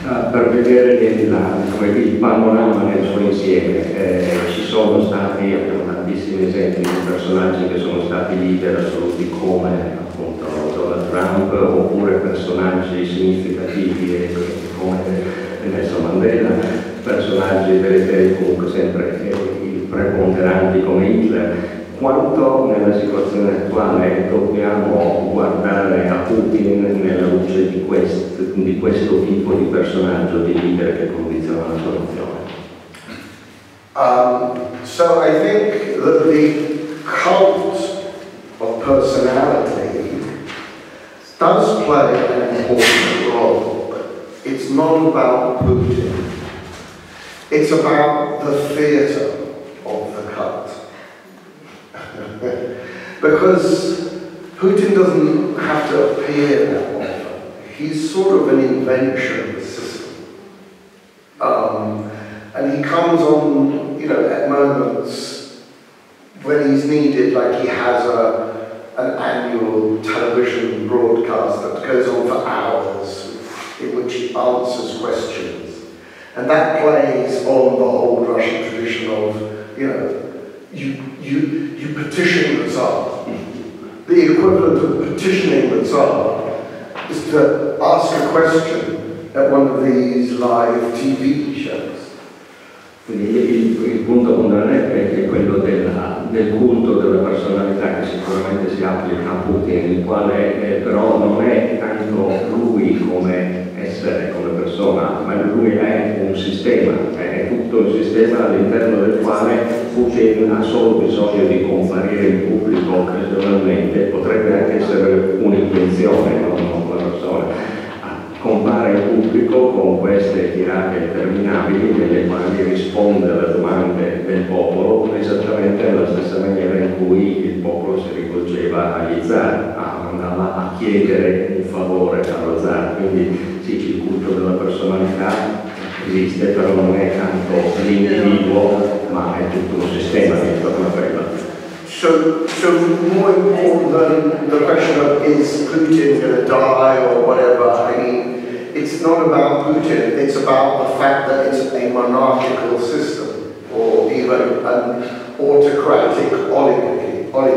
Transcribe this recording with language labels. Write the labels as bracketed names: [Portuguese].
[Italian] Per vedere come il panorama nel suo insieme, ci sono stati tantissimi esempi di personaggi che sono stati leader assoluti, come appunto Donald Trump, oppure personaggi significativi come Nelson Mandela, personaggi veri comunque sempre preponderanti come Hitler. Quanto nella situazione attuale dobbiamo guardare a Putin nella luce di questo tipo di personaggio, di leader che condiziona la sua nazione? [English] So I think that the cult of personality does play an important role. It's not about Putin. It's about the theater of the cult. Because Putin doesn't have to appear that often. He's sort of an invention of the system. And he comes on, you know, at moments when he's needed, like he has an annual television broadcast that goes on for hours, in which he answers questions. And that plays on the old Russian tradition of, you know, you petition the Tsar. The equivalent of petitioning the Tsar is to ask a question at one of these live TV shows. [Italian] Il punto fondamentale è quello del culto della personalità, che sicuramente si applica a Putin, il quale però non è tanto lui come essere, come persona, ma lui è un sistema, è tutto un sistema all'interno del quale Putin ha solo bisogno di comparire in pubblico occasionalmente, potrebbe anche essere un'intenzione, non una persona. Compare in pubblico con queste tirate interminabili nelle quali risponde alle domande del popolo esattamente nella stessa maniera in cui il popolo si rivolgeva agli zar, andava a chiedere un favore allo zar. Quindi sì, il culto della personalità esiste, però non è tanto l'individuo, ma è tutto un sistema di intorno a quella. [English] So more important than the question of is Putin gonna die or whatever, I mean, it's not about Putin, it's about the fact that it's a monarchical system, or even an autocratic oligarchy.